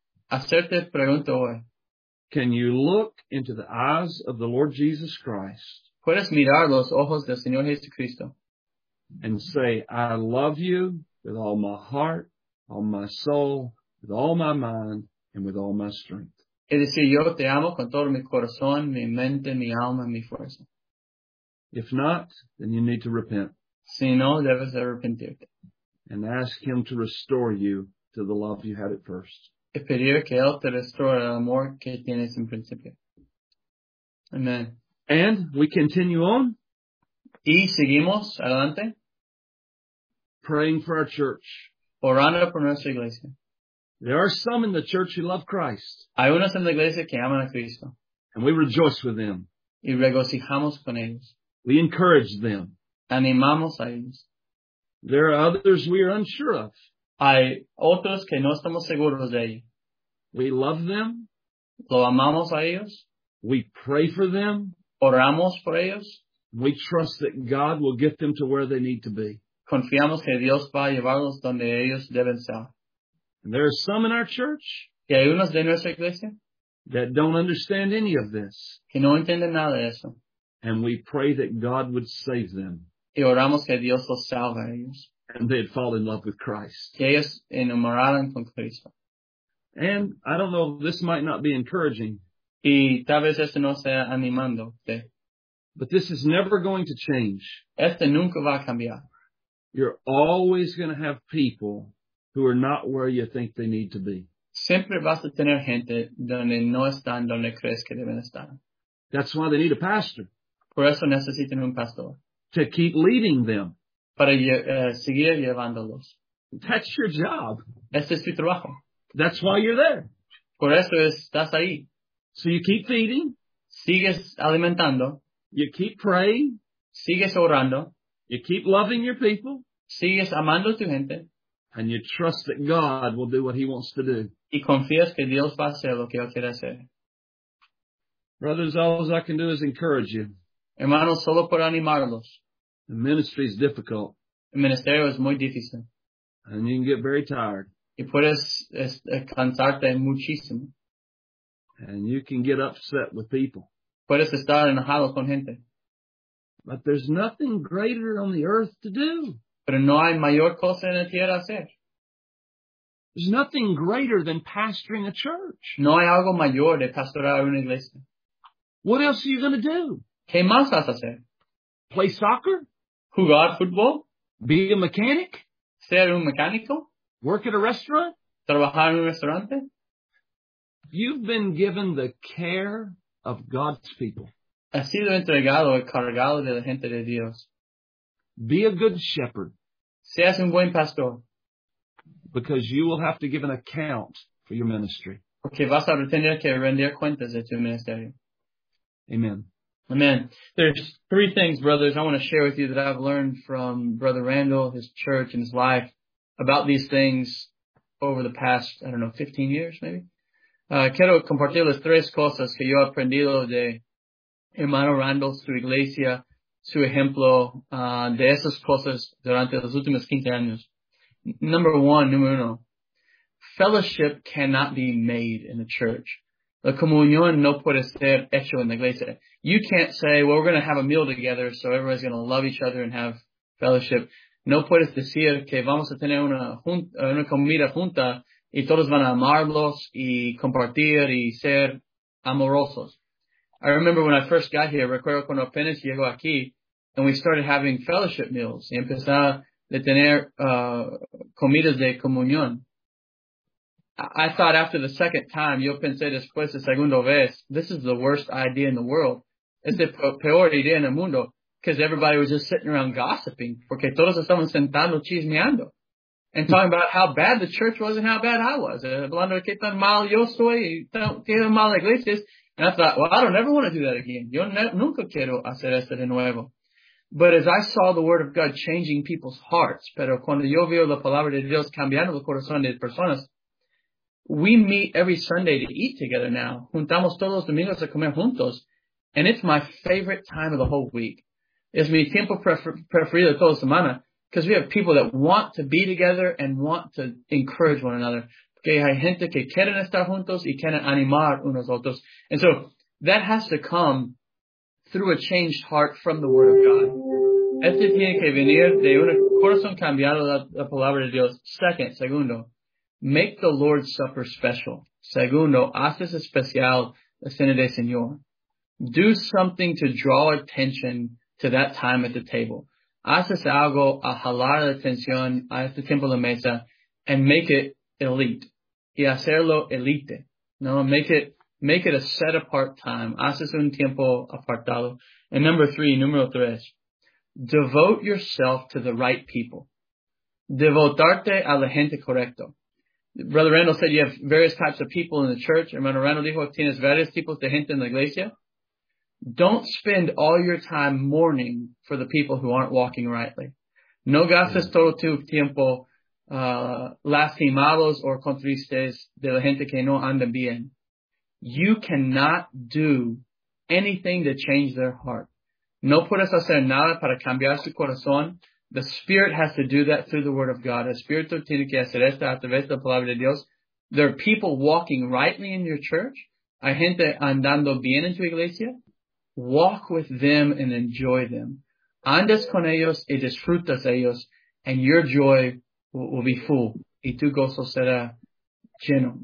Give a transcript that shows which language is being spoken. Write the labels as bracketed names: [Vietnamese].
[Spanish] Hacerte pregunta hoy. [English] Can you look into the eyes of the Lord Jesus Christ? [Spanish] Puedes mirar los ojos del Señor Jesucristo. [English] And say, I love you with all my heart, all my soul, with all my mind, and with all my strength. [Spanish] Es decir, yo te amo con todo mi corazón, mi mente, mi alma, mi fuerza. [English] If not, then you need to repent. [Spanish] Si no, debes arrepentirte. [English] And ask him to restore you to the love you had at first. [Spanish] Y pedir que Él te restaure el amor que tienes en principio. [English] Amen. And we continue on. [Spanish] Y seguimos adelante. [English] Praying for our church. [Spanish] Orando por nuestra iglesia. [English] There are some in the church who love Christ. [Spanish] Hay unos en la iglesia que aman a Cristo. [English] And we rejoice with them. [Spanish] Y regocijamos con ellos. [English] We encourage them. [Spanish] Animamos a ellos. [English] There are others we are unsure of. [Spanish] Hay otros que no estamos seguros de ellos. [English] We love them. [Spanish] Lo amamos a ellos. [English] We pray for them. [Spanish] Oramos por ellos. [English] We trust that God will get them to where they need to be. [Spanish] Confiamos que Dios va a llevarlos donde ellos deben estar. [English] And there are some in our church [Spanish] que hay unos de nuestra iglesia [English] that don't understand any of this. [Spanish] Que no entienden nada de eso. [English] And we pray that God would save them. [Spanish] Y oramos que Dios los salve a ellos. [English] And they'd fall in love with Christ. [Spanish] Que ellos enamoraran con Cristo. [English] And I don't know, this might not be encouraging. [Spanish] Y tal vez esto no sea animando. ¿Sí? [English] But this is never going to change. [Spanish] Este nunca va a cambiar. [English] You're always going to have people who are not where you think they need to be. [Spanish] Siempre vas a tener gente donde no están donde crees que deben estar. [English] That's why they need a pastor. [Spanish] Por eso necesitan un pastor. [English] To keep leading them. [Spanish] Para seguir llevándolos. [English] That's your job. [Spanish] Este es tu trabajo. [English] That's why you're there. [Spanish] Por eso estás ahí. [English] So you keep feeding. [Spanish] Sigues alimentando. [English] You keep praying. [Spanish] Sigues orando. [English] You keep loving your people. [Spanish] Sigues amando tu gente. [English] And you trust that God will do what he wants to do. [Spanish] Y confías que Dios va a hacer lo que él quiere hacer. [English] Brothers, all I can do is encourage you. [Spanish] Hermanos, solo por animarlos. [English] The ministry is difficult. [Spanish] El ministerio es muy difícil. [English] And you can get very tired. [Spanish] Y puedes cansarte muchísimo. [English] And you can get upset with people. [Spanish] Puedes estar enojado con gente. [English] But there's nothing greater on the earth to do. [Spanish] Pero no hay mayor cosa en la tierra hacer. [English] There's nothing greater than pastoring a church. [Spanish] No hay algo mayor de pastorar una iglesia. [English] What else are you going to do? [Spanish] ¿Qué más vas a hacer? [English] Play soccer? [Spanish] Jugar fútbol? [English] Be a mechanic? [Spanish] Ser un mecánico? [English] Work at a restaurant? [Spanish] Trabajar en un restaurante? [English] You've been given the care of God's people. [Spanish] Has sido entregado y cargado de la gente de Dios. [English] Be a good shepherd. [Spanish] Seas un buen pastor. [English] Because you will have to give an account for your ministry. [Spanish] Porque vas a tener que rendir cuentas de tu ministerio. [English] Amen. [Spanish] Amen. [English] There's three things, brothers, I want to share with you that I've learned from Brother Randall, his church, and his life about these things over the past, I don't know, 15 years, maybe. [Spanish] Quiero compartir las tres cosas que yo he aprendido de hermano Randall, su iglesia, su ejemplo de esas cosas durante los últimos 15 años. Número uno. [English] Fellowship cannot be made in the church. [Spanish] La comunión no puede ser hecho en la iglesia. [English] You can't say, well, we're going to have a meal together, so everybody's going to love each other and have fellowship. [Spanish] No puedes decir que vamos a tener una comida junta y todos van a amarlos y compartir y ser amorosos. [English] I remember when I first got here, [Spanish] recuerdo cuando apenas llego aquí, [English] and we started having fellowship meals. [Spanish] Y empezaba a tener comidas de comunión. [English] I thought after the second time, [Spanish] yo pensé después de segunda vez, [English] this is the worst idea in the world. [Spanish] Es la peor idea en el mundo. [English] Because everybody was just sitting around gossiping. [Spanish] Porque todos estaban sentando chismeando. [English] And talking about how bad the church was and how bad I was. [Spanish] Hablando de que tan mal yo soy y que tan mal la iglesia es. [English] And I thought, well, I don't ever want to do that again. [Spanish] Yo nunca quiero hacer esto de nuevo. [English] But as I saw the word of God changing people's hearts. [Spanish] Pero cuando yo veo la palabra de Dios cambiando el corazón de personas. [English] We meet every Sunday to eat together now. [Spanish] Juntamos todos los domingos a comer juntos. [English] And it's my favorite time of the whole week. [Spanish] Es mi tiempo preferido toda semana. [English] Because we have people that want to be together and want to encourage one another. [Spanish] Porque hay gente que quieren estar juntos y quieren animar unos otros. [English] And so that has to come through a changed heart from the Word of God. [Spanish] Este tiene que venir de un corazón cambiado de la palabra de Dios. Segundo. [English] Make the Lord's Supper special. [Spanish] Segundo, haces especial la cena del Señor. [English] Do something to draw attention to that time at the table. [Spanish] Haces algo a jalar la atención a este tiempo de mesa [English] and make it elite. [Spanish] Y hacerlo elite. [English] No, make it a set apart time. [Spanish] Haces un tiempo apartado. [English] And [Spanish] número tres, [English] devote yourself to the right people. [Spanish] Devotarte a la gente correcto. [English] Brother Randall said you have various types of people in the church. [Spanish] Hermano Randall dijo tienes varios tipos de gente en la iglesia. [English] Don't spend all your time mourning for the people who aren't walking rightly. [Spanish] No gastes todo tu tiempo lastimados or con tristes de la gente que no anda bien. [English] You cannot do anything to change their heart. [Spanish] No puedes hacer nada para cambiar su corazón. [English] The Spirit has to do that through the Word of God. [Spanish] El Espíritu tiene que hacer esto a través de la Palabra de Dios. [English] There are people walking rightly in your church. [Spanish] Hay gente andando bien en tu iglesia. [English] Walk with them and enjoy them. [Spanish] Andas con ellos y disfrutas ellos, [English] and your joy will be full. [Spanish] Y tu gozo será lleno.